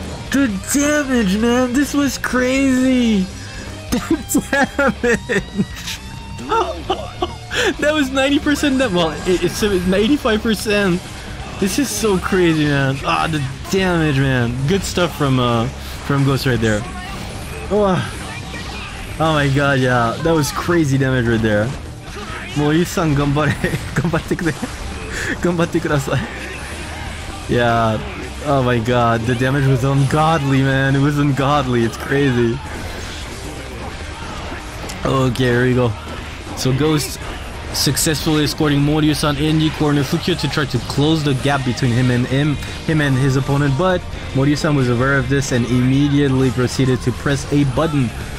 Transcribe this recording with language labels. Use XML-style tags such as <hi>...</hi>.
<en>The damage, man. This was crazy. The damage. That was 90% damage. Well, it's 95%. This is so crazy, man. Ah, the damage, man. Good stuff from Ghost right there. Oh, oh my God, yeah. That was crazy damage right there.</en> <ja>もうゆうさん頑張れ、頑張ってくれ、頑張ってください。</ja> <en>Yeah, oh my god, the damage was ungodly, man. It was ungodly. It's crazy. Okay, here we go. So Ghost successfully escorting Moryu-san in the corner. Fukio to try to close the gap between him and him, him and his opponent, but Moryu-san was aware of this and immediately proceeded to press a button.</en>